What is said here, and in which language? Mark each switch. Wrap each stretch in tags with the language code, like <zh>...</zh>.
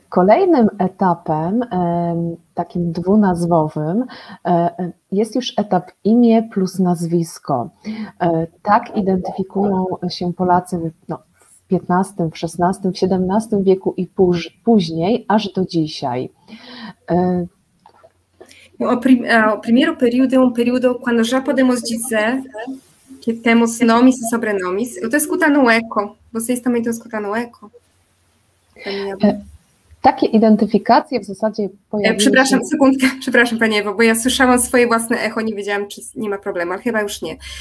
<pl>Kolejnym etapem, takim dwunazwowym, jest już etap imię plus nazwisko. Tak identyfikują się Polacy w XV, w XVI, w XVII wieku i później, aż do dzisiaj.</pl> <pt>O primeiro período é período quando já podemos dizer que temos nomes e sobrenomes. Eu estou escutando eco. Vocês também estão escutando eco?</pt> <pl>Takie identyfikacje w zasadzie pojawiły Przepraszam, sekundkę, przepraszam, Pani Ewo, bo ja słyszałam swoje własne echo, nie wiedziałam, czy nie ma problemu, ale chyba już nie.</pl>